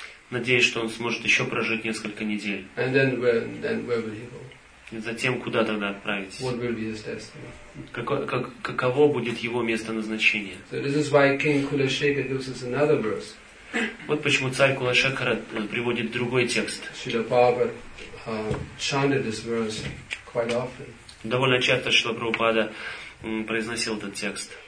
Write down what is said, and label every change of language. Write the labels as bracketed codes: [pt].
[ru] Надеясь, что он сможет еще прожить несколько недель. [en] And then where will he go? [ru] И затем куда тогда отправитесь? [en] What will be his destiny? [ru] Каково будет его место назначения? [en] So this is why King Kulashekar gives us another verse. [ru] Вот почему царь Кулашекхара приводит другой текст. [en] Шрила Прабхупада chanted this verse quite often. [ru] Довольно часто Шрила Прабхупада произносил этот текст.